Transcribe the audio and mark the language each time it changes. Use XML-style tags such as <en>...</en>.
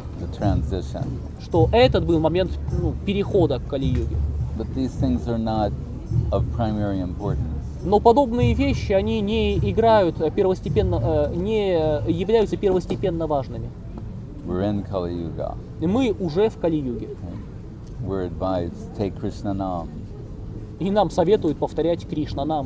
<en>The transition.</en> <ru>Что этот был момент перехода к Kali Yuga.</ru> <en>But these things are not of primary importance.</en> <ru>Но подобные вещи они не играют первостепенно, не являются первостепенно важными.</ru> <en>We're in Kali Yuga.</en> <ru>И мы уже в Kali Yuga.</ru> <en>We're advised to take Krishna Nam.</en> <ru>И нам советуют повторять Кришна нам.</ru>